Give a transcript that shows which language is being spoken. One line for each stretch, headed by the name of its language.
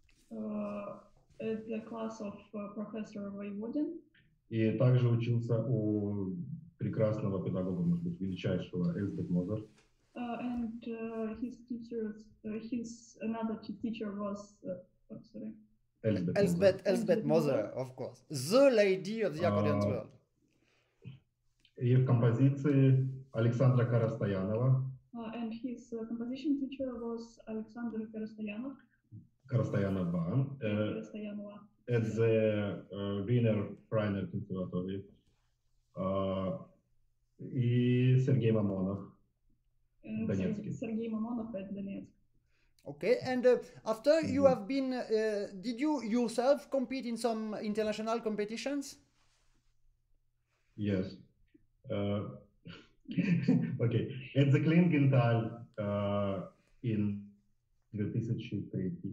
English: At the class of professor Воеводин.
Russian: И также учился у прекрасного педагога, может быть, величайшего Эльзбет Мозер.
English: And his teacher, his another teacher was, Эльзбет Мозер, of course, the lady of the accordion world.
Russian: И в композиции Александра Карастоянова.
English: And his composition teacher was Александр Карастоянов.
Russian: Карастоянова. Карастоянова.
English: At the Wiener Freiner Conservatory.
Russian: И Сергей Мамонов, Донецкий. Сергей Мамонов, Донецк.
English: Okay, and after mm-hmm. you have been, did you yourself compete in some international competitions? Yes. okay, at the Klingenthal in 2003.